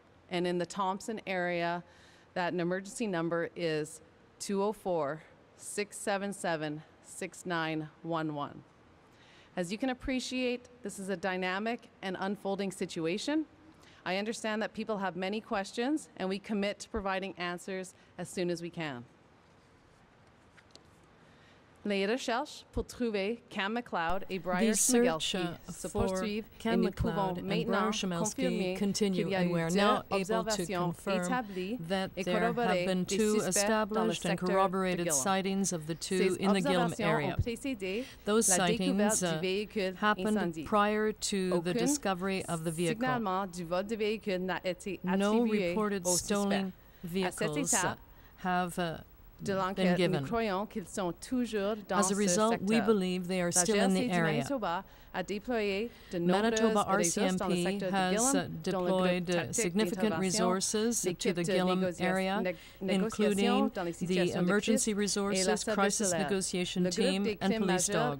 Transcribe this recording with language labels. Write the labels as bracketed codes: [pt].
[en] And in the Thompson area, that an emergency number is 204-677-6911. As you can appreciate, this is a dynamic and unfolding situation. I understand that people have many questions, and we commit to providing answers as soon as we can. [fr] Les recherches pour trouver Cam McLeod et Bryer Schmegelsky se poursuivent Cam et nous pouvons maintenant confirmer qu'il y a deux observations établies et corroborées des suspects dans le secteur de Gillam. Ces observations ont précédé la découverte du véhicule incendié. Aucun signalement du vol de véhicule n'a été attribué aux suspects. À cette étape, de l'enquête, [en] been given. [fr] Nous croyons qu'ils sont toujours dans [en] As a result, [fr] ce secteur. [en] We believe they are still in the area. [fr] La GRC du Manitoba a déployé de nombreuses ressources dans le secteur de Gillam, dont le groupe tactique d'intervention, l'équipe de négociation dans les situations de crise, [en] to the Gillam area, including the emergency resources, crisis negotiation team, and police dogs.